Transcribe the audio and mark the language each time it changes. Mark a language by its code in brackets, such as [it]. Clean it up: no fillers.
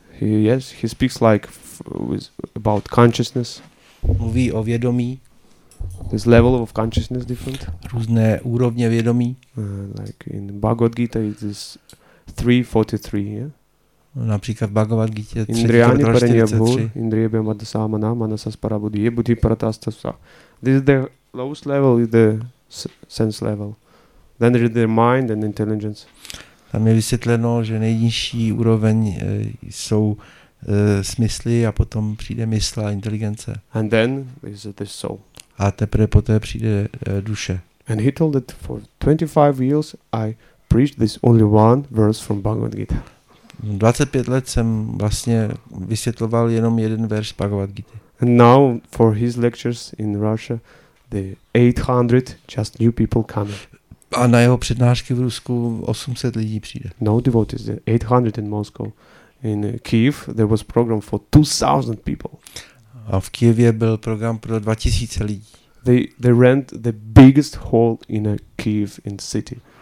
[en] He speaks like about consciousness. [cs] Mluví o vědomí. [en] This level of consciousness different. [cs] Různé úrovně vědomí. [en] Like in Bhagavad Gita, it is 343, yeah? [cs] Například Bhagavad Gita 343. [sa] Indriyabhyam adasamana manasas parabuddhi buddhi paratastasa. [en] This is the lowest level, the sense level. Then there is the mind and intelligence. [cs] Tam je vysvětleno, že nejnižší úroveň jsou smysly a potom přijde mysl a inteligence. [en] And then is the soul. [cs] A teprve poté přijde duše. [en] And he told that for 25 years I preached this only one verse from Bhagavad Gita. [cs] 25 let jsem vlastně vysvětloval jenom jeden verš Bhagavad Gita. [en] And now for his lectures in Russia, the 800 just new people come. [cs] A na jeho přednášky v Rusku 800 lidí přijde. [en] No devotees, 800 in Moscow. In Kyiv there was program for 2000 people. [cs] A v Kyjevě byl program pro 2000 lidí. [en] They rent the biggest hall in a Kyiv in city.